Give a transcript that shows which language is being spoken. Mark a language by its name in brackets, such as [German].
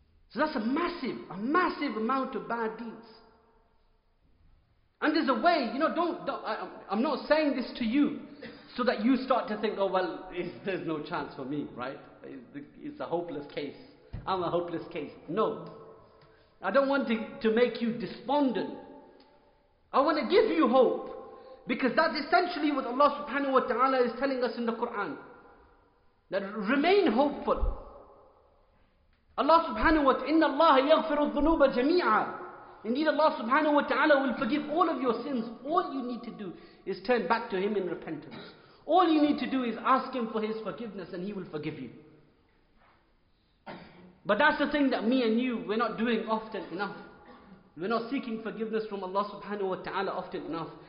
[English] So that's a massive amount of bad deeds. And there's a way, you know, I'm not saying this to you so that you start to think, oh well, there's no chance for me, right? It's a hopeless case. I'm a hopeless case. No. I don't want to make you despondent. I want to give you hope. Because that's essentially what Allah subhanahu wa ta'ala is telling us in the Quran. That remain hopeful. [Arabic] Allah subhanahu wa ta'ala, إِنَّ اللَّهَ يَغْفِرُ الظُّنُوبَ جَمِيعًا. [English] Indeed, Allah subhanahu wa ta'ala will forgive all of your sins. All you need to do is turn back to Him in repentance. All you need to do is ask Him for His forgiveness and He will forgive you. But that's the thing that me and you, we're not doing often enough. We're not seeking forgiveness from Allah subhanahu wa ta'ala often enough.